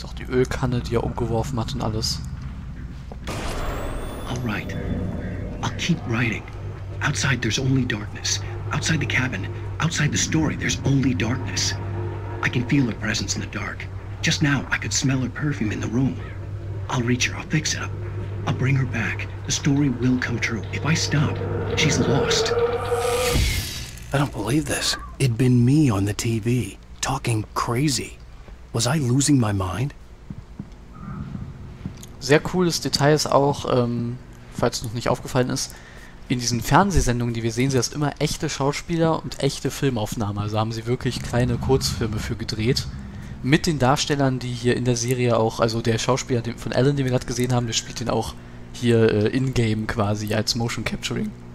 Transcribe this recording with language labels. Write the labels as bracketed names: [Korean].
[German] Ölkanne, die er umgeworfen hat und alles. [English] Alright. I'll keep writing. Outside there's only darkness. Outside the cabin, outside the story, there's only darkness. I can feel her presence in the dark. Just now I could smell her perfume in the room. I'll reach her, I'll fix it up. I'll bring her back. The story will come true. If I stop, she's lost. I don't believe this. It'd been me on the TV, talking crazy. Was I losing my mind? [German] Sehr cooles Detail ist auch, falls es noch nicht aufgefallen ist, in diesen Fernsehsendungen, die wir sehen, sind das immer echte Schauspieler und echte Filmaufnahmen. Also haben sie wirklich kleine Kurzfilme für gedreht. Mit den Darstellern, die hier in der Serie auch, also der Schauspieler von Alan, den wir gerade gesehen haben, der spielt den auch hier in-game quasi als Motion Capturing.